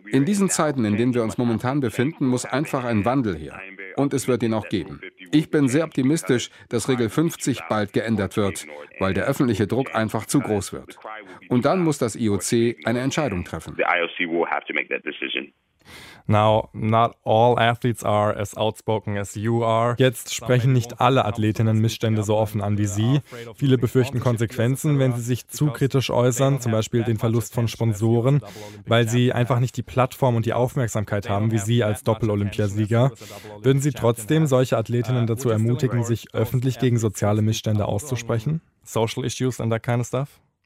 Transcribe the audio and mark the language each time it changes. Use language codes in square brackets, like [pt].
[de] In diesen Zeiten, in denen wir uns momentan befinden, muss einfach ein Wandel her. Und es wird ihn auch geben. Ich bin sehr optimistisch, dass Regel 50 bald geändert wird, weil der öffentliche Druck einfach zu groß wird. Und dann muss das IOC eine Entscheidung treffen. [en] Now, not all athletes are as outspoken as you are. [de] Jetzt sprechen nicht alle Athletinnen Missstände so offen an wie Sie. Viele befürchten Konsequenzen, wenn sie sich zu kritisch äußern, zum Beispiel den Verlust von Sponsoren, weil sie einfach nicht die Plattform und die Aufmerksamkeit haben wie Sie als Doppel-Olympiasieger. Würden Sie trotzdem solche Athletinnen dazu ermutigen, sich öffentlich gegen soziale Missstände auszusprechen? [en] Social issues and that kind of stuff?